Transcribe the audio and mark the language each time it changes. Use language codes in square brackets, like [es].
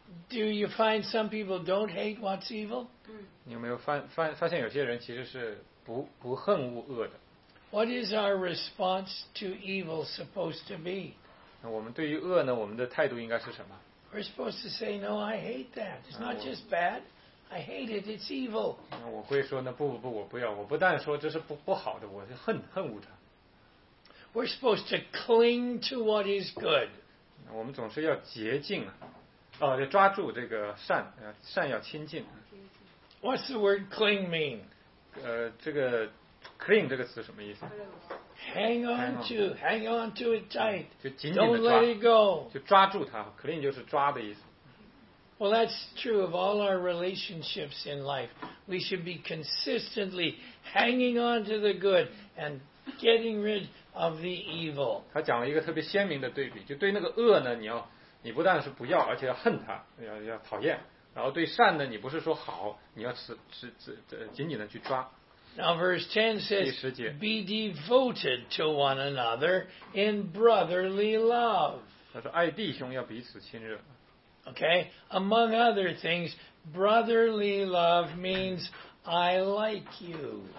[en] Do you find some people don't hate what's evil? [zh] 你有没有发现有些人其实是不恨恶恶的。 [en] What is our response to evil supposed to be? [zh] 我们对于恶呢，我们的态度应该是什么？ [en] We're supposed to say, no, I hate that. It's not just bad. I hate it. It's evil. [zh] 我会说呢，不，我不要。我不但说这是不好的，我就恨恶它。 [en] We're supposed to cling to what is good. [zh] 我们总是要竭尽啊，要抓住这个善，善要亲近。 [en] What's the word cling mean? [zh] 这个 cling 这个词什么意思？ [en] Hang on to it tight. [zh] 就紧紧的抓。 [en] Don't let it go. [zh] 就抓住它 ，cling 就是抓的意思。 [en] Well, that's true of all our relationships in life. We should be consistently hanging on to the good and getting rid of the evil. [zh] 他讲了一个特别鲜明的对比，就对那个恶呢，你不但是不要，而且要恨他，要讨厌。然后对善呢，你不是说好，你要紧紧的去抓。 [en] Now verse 10 says, be devoted to one another in brotherly love. [zh] 他说爱弟兄要彼此亲热。 [en] Okay, among other things, brotherly love means I like you.